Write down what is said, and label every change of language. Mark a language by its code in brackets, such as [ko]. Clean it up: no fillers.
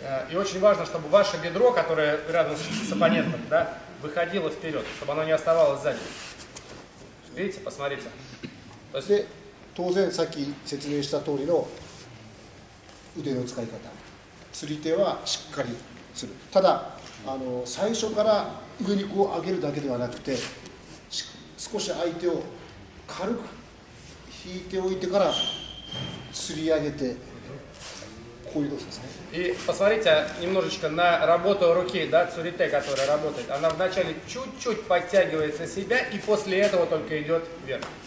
[ru] И очень важно, чтобы ваше бедро, которое рядом с оппонентом, да, выходило вперед, чтобы оно не оставалось сзади. Видите, посмотрите. То есть, [ja] 当然さっき説明した通りの腕の使い方釣り手はしっかり釣る。ただ最初から上にこう上げるだけではなくて少し相手を軽く引いておいてから釣り上げてこういう動作ですね。 [ru] И посмотрите немножечко на работу руки, да, цурите, которая работает. Она вначале чуть-чуть подтягивается на себя и после этого только идет вверх.